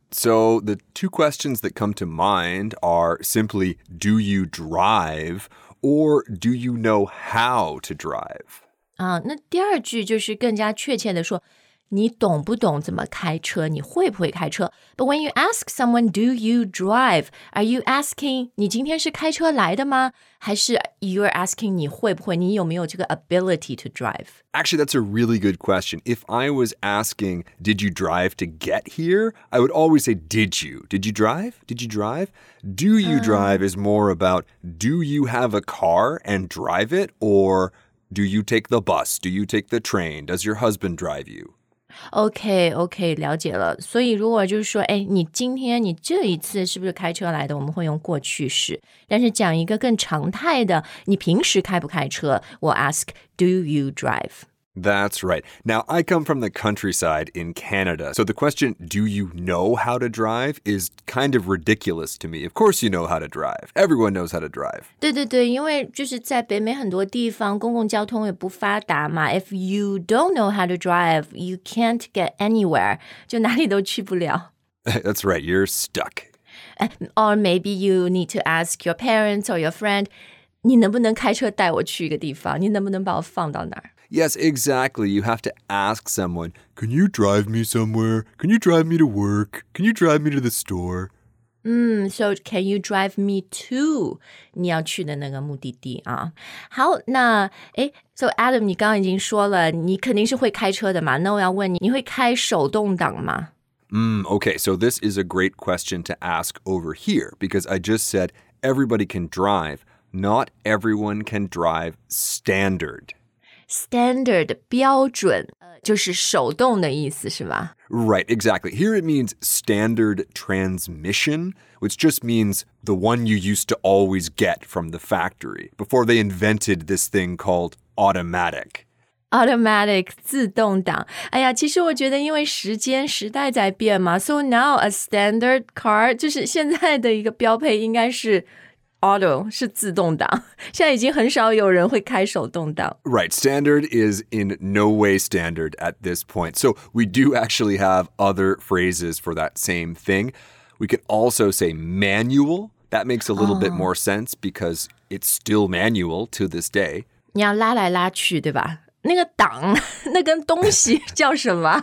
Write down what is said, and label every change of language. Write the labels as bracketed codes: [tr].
[en] So the two questions that come to mind are simply do you drive or do you know how to drive？ [zh] 啊，那第二句就是更加确切的说你懂不懂怎么开车，你会不会开车。 [en] But when you ask someone, do you drive, are you asking [zh] 你今天是开车来的吗，还是 [en] you're asking [zh] 你会不会，你有没有这个 [en] ability to drive? Actually, that's a really good question. If I was asking, did you drive to get here? I would always say, did you? Did you drive? Did you drive? Do you drive is more about, do you have a car and drive it? Or do you take the bus? Do you take the train? Does your husband drive you? [zh] OK, 了解了。所以如果就是说，哎，你今天你这一次是不是开车来的，我们会用过去式。但是讲一个更常态的，你平时开不开车，我 [en] ask, do you drive? That's right. Now, I come from the countryside in Canada. So the question, do you know how to drive, is kind of ridiculous to me. Of course you know how to drive. Everyone knows how to drive. [zh] 对对对，因为就是在北美很多地方公共交通也不发达嘛。 [en] If you don't know how to drive, you can't get anywhere. [zh] 就哪里都去不了。 [en] That's right. You're stuck. Or maybe you need to ask your parents or your friend, [zh] 你能不能开车带我去一个地方？你能不能把我放到哪儿？ [en] Yes, exactly. You have to ask someone, can you drive me somewhere? Can you drive me to work? Can you drive me to the store? So can you drive me to [zh] 你要去的那个目的地啊。好，那诶 so Adam, 你刚刚已经说了你肯定是会开车的嘛。那我要问你，你会开手动挡吗？ [en] Okay, so this is a great question to ask over here, because I just said everybody can drive, not everyone can drive standard. [zh] Standard, 标准就是手动的意思是吧？ [en] Right, exactly. Here it means standard transmission, which just means the one you used to always get from the factory before they invented this thing called automatic. [zh] Automatic, 自动挡。哎呀，其实我觉得因为时间时代在变嘛， [en] so now a standard car, [zh] 就是现在的一个标配应该是Auto 是自动挡，现在已经很少有人会开手动挡。 [en] Right, standard is in no way standard at this point. So we do actually have other phrases for that same thing. We could also say manual. That makes a little bit more sense because it's still manual to this day. [zh] 你要拉来拉去，对吧？那个挡，那根东西叫什么？